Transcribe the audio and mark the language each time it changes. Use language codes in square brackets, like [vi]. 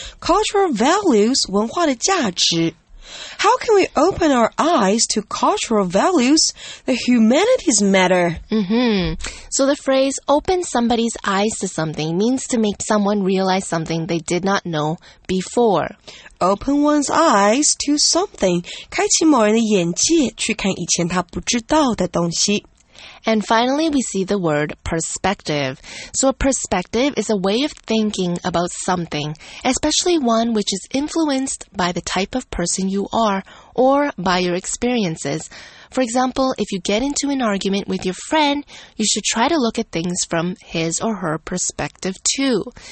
[en] Cultural values, [zh] 文化的价值。 [en] How can we open our eyes to cultural values? The humanities matter. Mm-hmm. So the phrase, open somebody's eyes to something, means to make someone realize something they did not know before. Open one's eyes to something. [zh] 开启某人的眼界去看以前他不知道的东西。 [en] And finally, we see the word perspective. So a perspective is a way of thinking about something, especially one which is influenced by the type of person you are or by your experiences. For example, if you get into an argument with your friend, you should try to look at things from his or her perspective too.